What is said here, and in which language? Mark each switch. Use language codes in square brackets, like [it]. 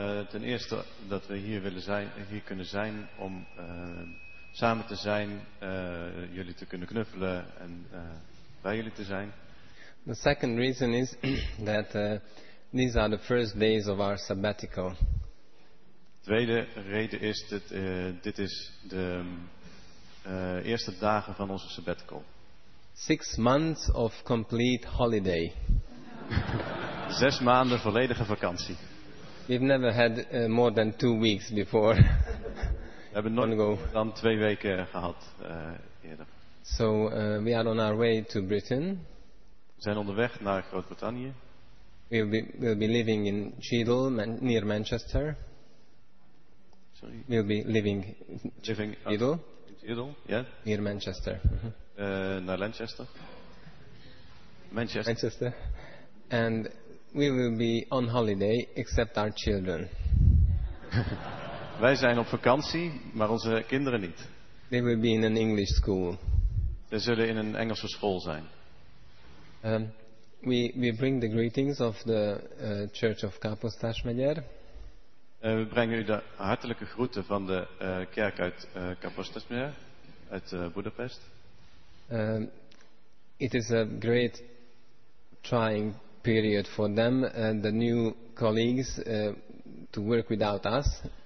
[nl] Ten eerste dat we hier willen zijn, hier kunnen zijn om samen te zijn, jullie te kunnen knuffelen en bij jullie te zijn. [en] The second reason is that these are the first days of our sabbatical. [nl] Tweede reden is dat dit is de eerste dagen van onze sabbatical. [en] 6 months of complete holiday. [nl] 6 maanden volledige vakantie. [en] We've never had more than 2 weeks before. [nl] We hebben nooit dan 2 weken gehad eerder. [en] So we are on our way to Britain. [nl] We zijn onderweg naar Groot-Brittannië. [en] We'll be living in Cheadle, near Manchester. Sorry. We'll be living in Cheadle, yeah. Near Manchester. [nl] Naar Lanchester. Manchester. [en] And we will be on holiday, except our children. [nl] Wij zijn op vakantie, maar onze kinderen niet. [en] They will be in an English school. [nl] Ze zullen in een Engelse school zijn. [en] We bring the greetings of the Church of Kapostasmegyer. [nl] We brengen u de hartelijke groeten van de kerk uit Kapostasmegyer, uit Budapest. [en] It is a great trying period for them and the new colleagues to work without us.